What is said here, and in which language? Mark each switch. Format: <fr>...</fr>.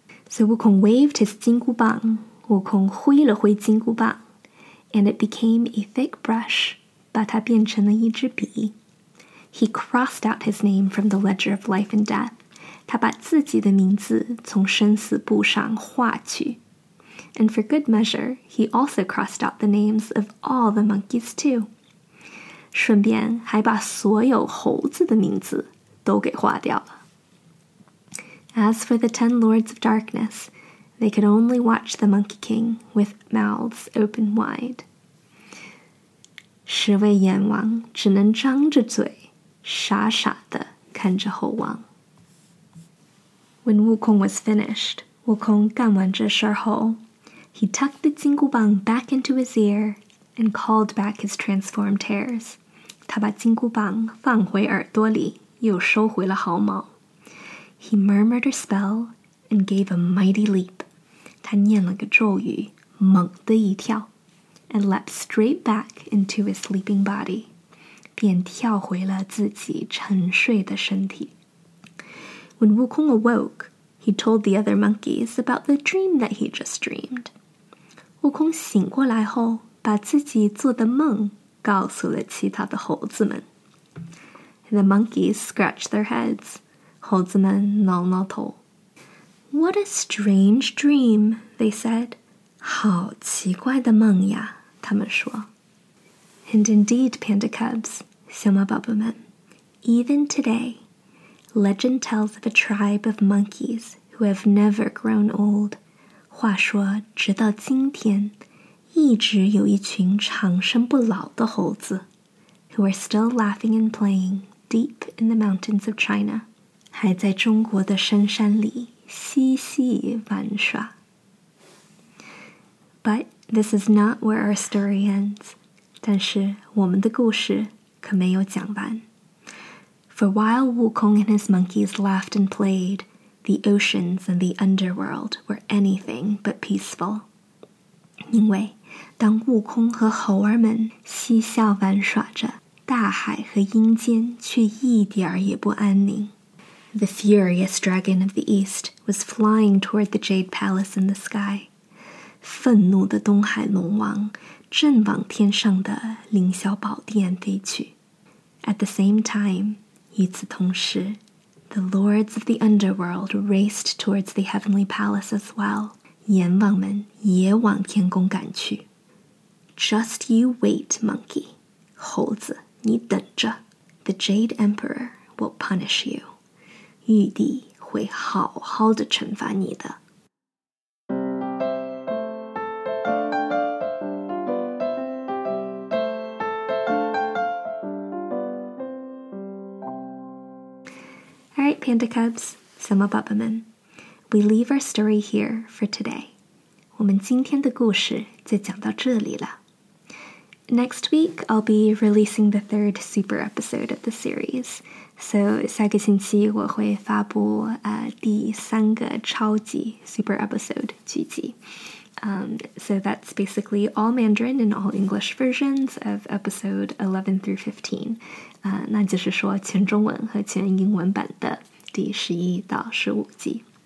<en>So Wu Kong waved his 金箍棒,</en> <zh>悟空挥了挥金箍棒,</zh> <en>and it became a thick brush,</en> <zh>把它变成了一支笔。</zh> <en>He crossed out his name from the ledger of life and death,</en> <zh>他把自己的名字从生死簿上划去。</zh> <en>And for good measure, he also crossed out the names of all the monkeys too.</en> <zh>顺便还把所有猴子的名字都给划掉了。</zh> <en>As for the 10 lords of darkness, they could only watch the monkey king with mouths open wide.</en> <zh>十位阎王只能张着嘴，傻傻地看着猴王。</zh> <en>When Wukong was finished, Wukong</en> <zh>干完这事后</zh> <en>he tucked the 金箍棒 back into his ear and called back his transformed hairs.</en> <zh>他把金箍棒放回耳朵里又收回了毫毛。</zh> <en>He murmured a spell and gave a mighty leap.</en> <zh>他念了个咒语猛地一跳</zh> <en>and leapt straight back into his sleeping body.</en> <zh>便跳回了自己沉睡的身体。</zh> <en>When Wukong awoke, he told the other monkeys about the dream that he just dreamed.</en> <zh>Wukong 醒过来后把自己做的梦告诉了其他的猴子们。</zh> <en>The monkeys scratched their heads.</en> <zh>猴子们挠挠头。</zh> <en>What a strange dream, they said.</en> <zh>好奇怪的梦呀，他们说。</zh> <en>And indeed, panda cubs,</en> <zh>小猫宝宝们</zh> <en>even today,Legend tells of a tribe of monkeys who have never grown old.</en> <zh>话说直到今天一直有一群长生不老的猴子</zh> <en>who are still laughing and playing deep in the mountains of China.</en> <zh>还在中国的深山里嬉戏玩耍。</zh> <en>But this is not where our story ends.</en> <zh>但是我们的故事可没有讲完。</zh> <en>For while Wukong and his monkeys laughed and played, the oceans and the underworld were anything but peaceful.</en> <zh>因为当悟空和猴儿们嬉笑玩耍着，大海和阴间却一点儿也不安宁。</zh> <en>The furious dragon of the east was flying toward the jade palace in the sky.</en> <zh>愤怒的东海龙王正往天上的凌霄宝殿飞去。</zh> <en>At the same time,</en> <zh>与此同时</zh> <en>the lords of the underworld raced towards the heavenly palace as well.</en> <zh>阎王们也往天宫赶去。</zh> <en>Just you wait, monkey.</en> <zh>猴子，你等着。</zh> <en>The Jade Emperor will punish you.</en> <zh>玉帝会好好的惩罚你的。</zh> <en>Alright, Panda Cubs, Summa Bubba Man, we leave our story here for today.</en> <zh>我们今天的故事就讲到这里了。</zh> <en>Next week, I'll be releasing the third super episode of the series.</en> <zh>So, 下个星期我会发布第三个超级</zh> <en>super episode</en> <zh>剧集。</zh> <en>So that's basically all Mandarin and all English versions of episode 11 through 15.</en> <zh>那就是说全中文和全英文版的第11到15集。</zh>